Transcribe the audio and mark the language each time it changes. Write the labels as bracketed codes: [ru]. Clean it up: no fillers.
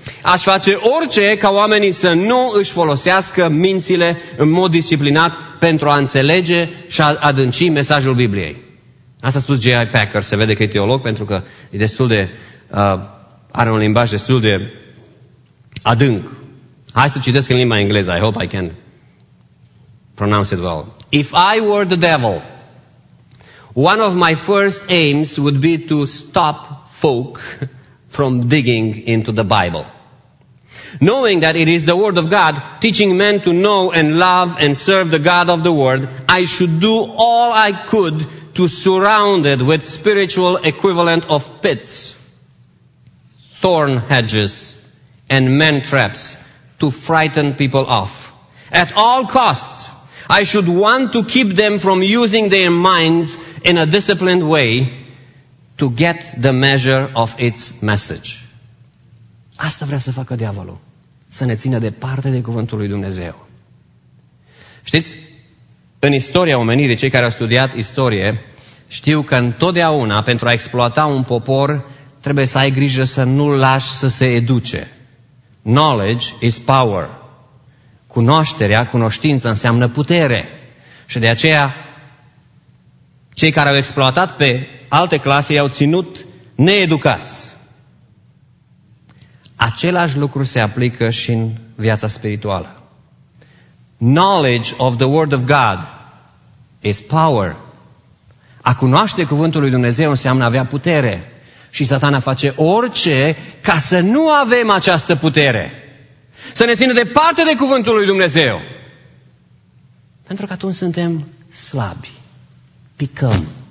[ro] Aș face orice ca oamenii să nu își folosească mințile în mod disciplinat pentru a înțelege și a adânci mesajul Bibliei. Asta a spus J.I. Packer, se vede că e teolog, pentru că e destul de are un limbaj destul de adânc. Hai să citesc în limba engleză. [en] I hope I can pronounce it well. If I were the devil, one of my first aims would be to stop folk from digging into the Bible. Knowing that it is the Word of God, teaching men to know and love and serve the God of the Word, I should do all I could to surround it with spiritual equivalent of pits, thorn hedges, and man traps to frighten people off. At all costs, I should want to keep them from using their minds in a disciplined way to get the measure of its message. [ro] Asta vrea să facă diavolul. Să ne țină departe de cuvântul lui Dumnezeu. Știți, în istoria omenirii, cei care au studiat istorie, știu că întotdeauna, pentru a exploata un popor, trebuie să ai grijă să nu-l lași să se educe. [en] Knowledge is power. [ro] Cunoașterea, cunoștința înseamnă putere. Și de aceea, cei care au exploatat pe alte clase i-au ținut needucați. Același lucru se aplică și în viața spirituală. [en] Knowledge of the Word of God is power. [ro] A cunoaște cuvântul lui Dumnezeu înseamnă avea putere. Și Satana face orice ca să nu avem această putere. Să ne țină departe de cuvântul lui Dumnezeu. Pentru că atunci suntem slabi. Picăm.